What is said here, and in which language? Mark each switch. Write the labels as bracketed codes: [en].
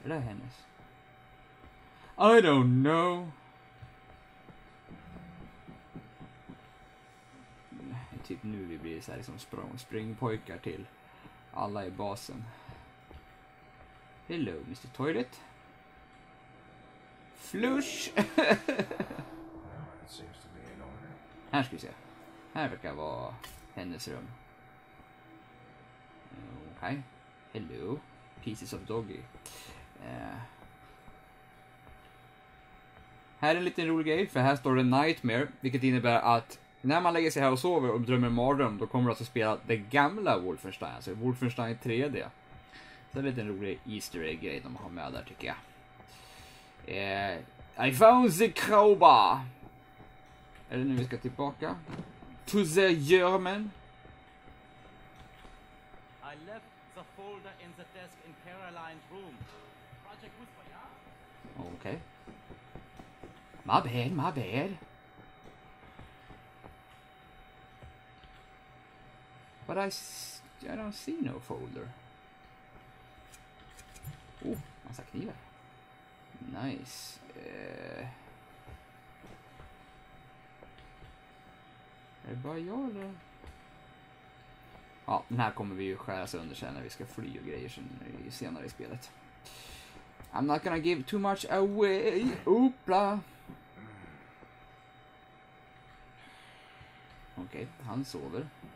[sv] Är det hennes? [en] I don't know. [sv] typ nu vi blir så här liksom springpojkar till alla i basen. [en] Hello, Mr. Toilet. Flush! [sv] Här ska vi se. Här verkar vara hennes rum. [en] Okay. Hello, pieces of doggy. [sv] Här är en liten rolig grej, för här står det Nightmare, vilket innebär att när man lägger sig här och sover och drömmer mardröm, då kommer du alltså spela det gamla Wolfenstein, alltså Wolfenstein 3D. Så det är en liten rolig easter egg grej de har med där, tycker jag. [en] I found the crowbar! [sv] Är det nu vi ska tillbaka? [en] To the German! I left the folder in the desk in Caroline's room. [sv] Project Whisper, ja? [en] Yeah? Okej. Okay. My bad. But I don't see no folder. [sv] Oh, massa knivar. Nice. Är det bara jag eller? Ja, den här kommer vi ju skära sönder sen när vi ska fly och grejer senare i spelet. [en] I'm not gonna give too much away. Oopla. [sv] Okej, han sover.